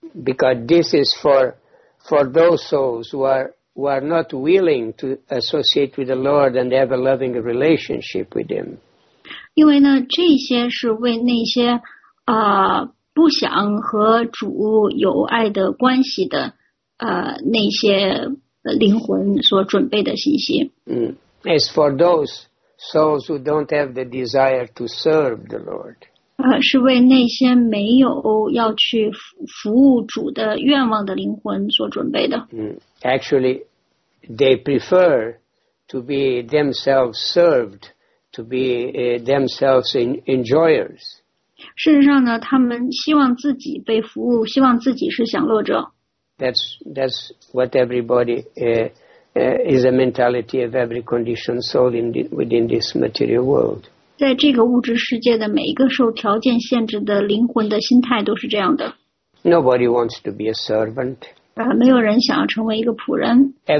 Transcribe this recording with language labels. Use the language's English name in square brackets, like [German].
[English] Because this is for those souls who are not willing to associate with the Lord and have a loving relationship with Him. [Chinese] 因为呢，这些是为那些不想和主有爱的关系的那些灵魂所准备的信息。 [English] As for those souls who don't have the desire to serve the Lord. [Chinese] 是为那些没有要去服务主的愿望的灵魂所准备的。 [English] Actually, they prefer to be themselves served, to be themselves enjoyers. [Chinese] 事实上呢，他们希望自己被服务，希望自己是享乐者。 [English] That's what everybody is a mentality of every conditioned soul within this material world. [Chinese] 在这个物质世界的每一个受条件限制的灵魂的心态都是这样的。 [English] Nobody wants to be a servant. 没有人想要成为一个仆人。